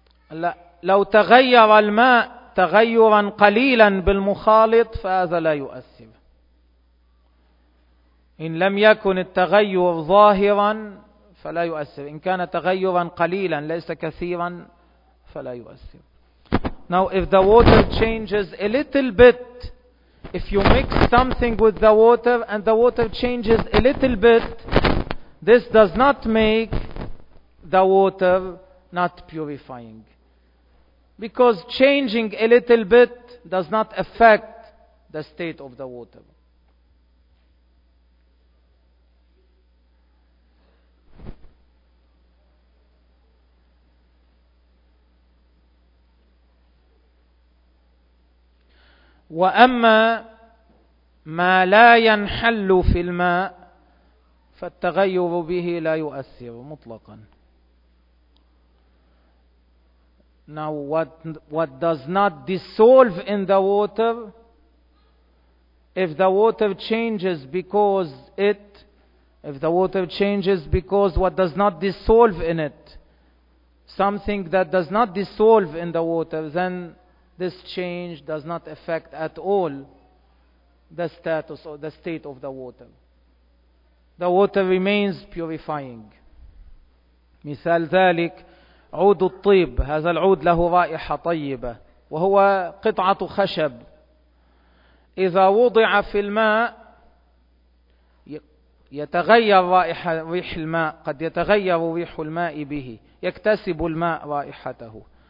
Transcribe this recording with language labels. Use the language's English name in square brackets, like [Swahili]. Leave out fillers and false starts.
[Arabic] لا, لو تغير الماء تغيرا قليلا بالمخالط فهذا لا يؤثر. إن لم يكن التغير ظاهرا فلا يؤثر. إن كان تغيرا قليلا ليس كثيرا فلا يؤثر. [English] Now if the water changes a little bit If you mix something with the water and the water changes a little bit, this does not make the water not purifying. Because changing a little bit does not affect the state of the water. [Arabic] وأما ما لا ينحل في الماء فالتغير به لا يؤثر مطلقا. [English] Now what does not dissolve in the water, if the water changes because it, if the water changes because what does not dissolve in it, something that does not dissolve in the water, then this change does not affect at all the status or the state of the water. The water remains purifying. [Arabic] مثال ذلك عود الطيب. هذا العود له رائحة طيبة وهو قطعة خشب. إذا وضع في الماء يتغير رائحة ريح الماء. قد يتغير ريح الماء به. يكتسب الماء رائحته.